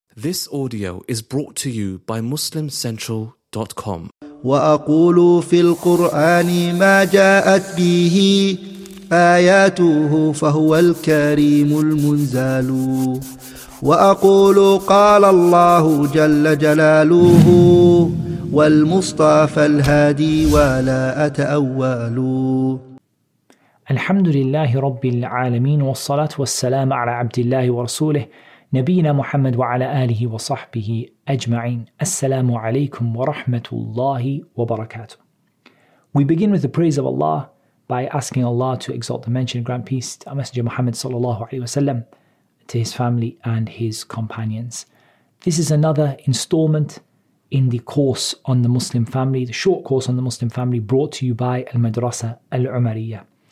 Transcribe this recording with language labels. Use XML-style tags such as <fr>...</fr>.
<en>This audio is brought to you by MuslimCentral.com.</en> <ar>وأقول في القرآن ما جاءت به آياته فهو الكريم المنزال. وأقول قال الله جل جلاله والمصطفى الهادي ولا أتأول. الحمد لله رب العالمين والصلاة والسلام على عبد الله ورسوله نبينا محمد وعلى آله وصحبه أجمعين. السلام عليكم ورحمة الله وبركاته.</ar> <en>We begin with the praise of Allah by asking Allah to exalt the mention and grant peace to our Messenger Muhammad sallallahu alaihi wasallam, to his family and his companions. This is another installment in the course on the Muslim family, the short course on the Muslim family brought to you by Al-Madrasa Al-Umariyya.</en>